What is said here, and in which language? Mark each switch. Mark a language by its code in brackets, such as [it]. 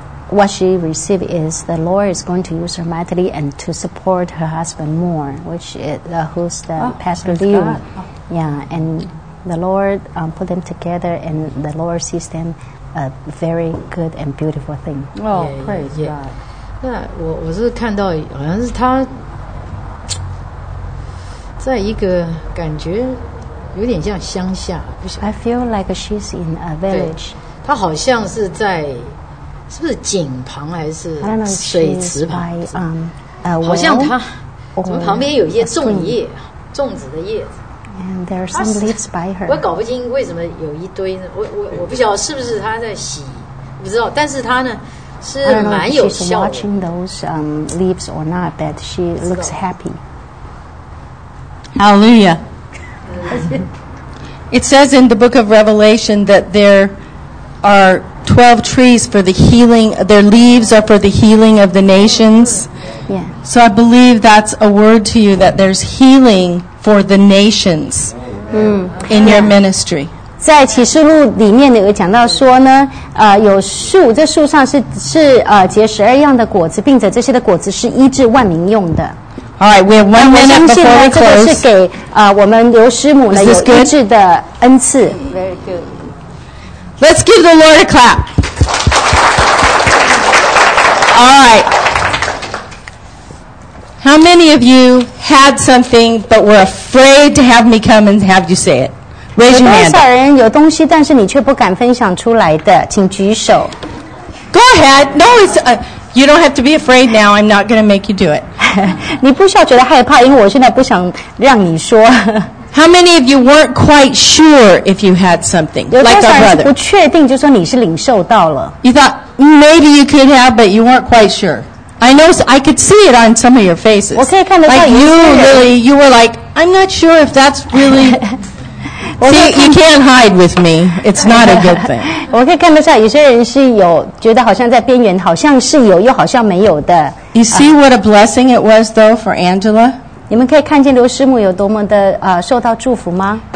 [en] What she received is the Lord is going to use her mightily and to support her husband more, which is who's the Pastor Liu. Yeah, and the Lord put them together and the Lord sees them a very good and beautiful thing. Oh, praise God. [zh] 那我是看到好像是他在一个感觉有点像乡下。 [en] I feel like she's in a village. [zh] 他好像是在是不是井旁还是水池旁？ [en] By, [zh] 好像它从旁边有一些粽叶，粽子的叶子。 [en] And there are some leaves by her. [zh] 我搞不清为什么有一堆呢？我不晓得是不是他在洗，不知道。但是他呢是蛮有效的。 [en] She's watching those leaves or not, but she looks happy. Hallelujah. It says in the book of Revelation that there are 12 trees for the healing. Their leaves are for the healing of the nations. Yeah. So I believe that's a word to you that there's healing for the nations in your ministry. [zh] 在启示录里面有讲到说呢，有树，这树上是结十二样的果子，并且这些的果子是医治万民用的。 [en] All right, we have 1 minute before we close. [zh] 我相信呢，这个是给我们刘师母呢有医治的恩赐。 [en] Very good. Let's give the Lord a clap. All right. How many of you had something but were afraid to have me come and have you say it? Raise your hand. [zh] 有多少人有东西，但是你却不敢分享出来的，请举手。 [en] Go ahead. No, it's you don't have to be afraid now. I'm not going to make you do it. [zh] 你不需要觉得害怕，因为我现在不想让你说。 [en] How many of you weren't quite sure if you had something, like our brother? [zh] 不确定，就说你是领受到了。 [en] You thought maybe you could have, but you weren't quite sure. I know, I could see it on some of your faces. [zh] 我可以看得到。 [en] Like you, Lily, you were like, I'm not sure if that's really. See, you can't hide with me. It's not a good thing. [zh] 我可以看得到，有些人是有觉得好像在边缘，好像是有，又好像没有的。 [en] You see what a blessing it was, though, for Angela. [zh] 你们可以看见刘师母有多么的受到祝福吗